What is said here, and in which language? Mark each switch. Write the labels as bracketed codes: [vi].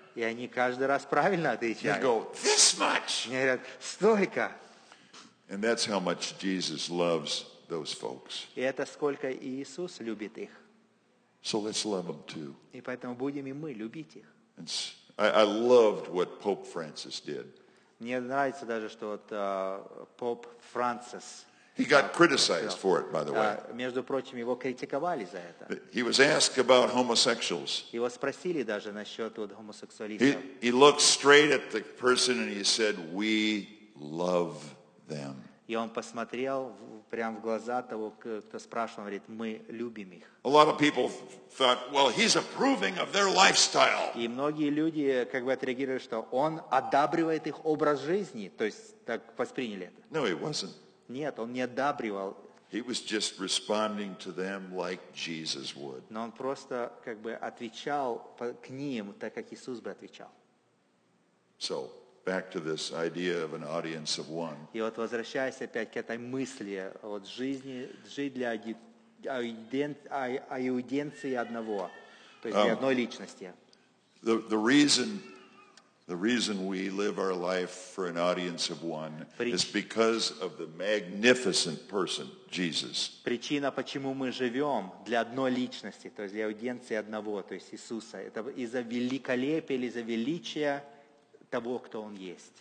[ru] И они каждый раз правильно отвечают. [en] Go, this much. [ru] Они говорят, столько. [en] And that's how much Jesus loves those folks. [ru] И это сколько Иисус любит их. [en] So let's love them too. [ru] И поэтому будем и мы любить их. [en] I loved what Pope Francis did. [ru] Мне нравится даже, что вот Поп Францис. [en] He got criticized for it, by the way. [ru] Между прочим, его критиковали за это. [en] He was asked about homosexuals. [ru] Его спросили даже насчет вот гомосексуалистов. [en] He looked straight at the person and he said, "We love them." [ru] И он посмотрел прямо в глаза того, кто спрашивал, говорит, мы любим их. [en] A lot of people thought, well, he's approving of their lifestyle. [ru] И многие люди как бы отреагировали, что он одобряет их образ жизни, то есть так восприняли это. [en] No, he wasn't. [ru] Нет, он не одобривал. [en] He was just responding to them like Jesus would. [ru] Но он просто как бы отвечал к ним, так как Иисус бы отвечал. [en] So, back to this idea of an audience of one. [ru] И вот возвращаясь опять к этой мысли, вот жизни, жить для аудиенции одного, то есть для одной личности. [en] The reason we live our life for an audience of one is because of the magnificent person, Jesus. [ru] Причина, почему мы живем для одной личности, то есть для аудиенции одного, то есть Иисуса, это из-за великолепия или из-за величия того, кто Он есть.